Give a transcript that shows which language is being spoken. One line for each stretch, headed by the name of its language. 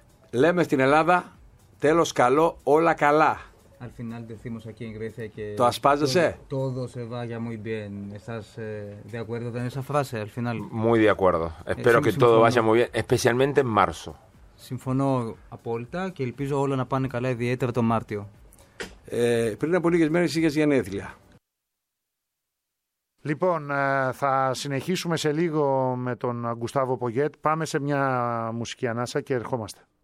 Greek: Λέμε στην Ελλάδα, τέλος καλό, όλα καλά.
Spanish: Al final decimos aquí en Grecia que
Greek: το ασπάζεσαι.
Spanish: Todo se vaya muy bien. ¿Estás de acuerdo con esa frase al final? Muy de acuerdo. Espero que todo vaya muy bien, especialmente en marzo.
Greek: Συμφωνώ απόλυτα και ελπίζω όλα να πάνε καλά, ιδιαίτερα τον Μάρτιο. Πριν από λίγες μέρες είχες γενέθλια. Λοιπόν, θα συνεχίσουμε σε λίγο με τον Γκουστάβο Πογιέτ. Πάμε σε μια μουσική ανάσα και ερχόμαστε.